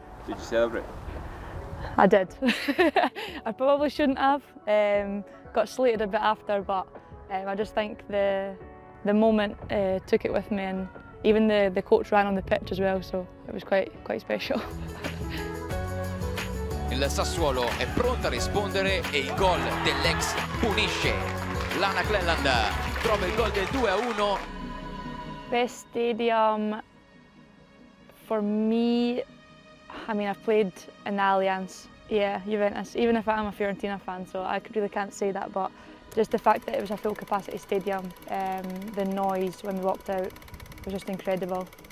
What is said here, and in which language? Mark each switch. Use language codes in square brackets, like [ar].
[en] Did you celebrate? I did. I probably shouldn't have. Got slated a bit after, but I just think the moment took it with me, and even the coach ran on the pitch as well, so it was quite special. [it] Il Sassuolo è pronto a rispondere e il gol dell'ex punisce. Lana Clelland trova il gol del 2-1. [en] Best stadium for me, I mean, I've played in the Allianz, yeah, Juventus, even if I'm a Fiorentina fan, so I really can't say that, but just the fact that it was a full capacity stadium, the noise when we walked out was just incredible.